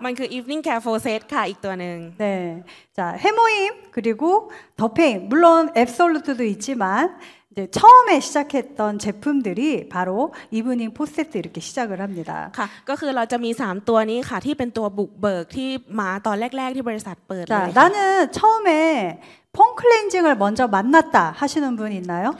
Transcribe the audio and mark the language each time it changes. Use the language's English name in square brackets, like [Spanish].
[Korean] 만큼 이브닝 케어 포세트가 있더는. 네. 자, 해모임 그리고 더페임. 물론 앱솔루트도 있지만 이제 처음에 시작했던 제품들이 바로 이브닝 포세트 이렇게 시작을 합니다. 자, 그러니까 [Thai] 3ตัวนี้ค่ะที่เป็นตัวบุกเบิกที่มาตอนแรกๆที่บริษัทเปิด [Korean] 자, 나는 처음에 폼클렌징을 먼저 만났다 하시는 분 있나요?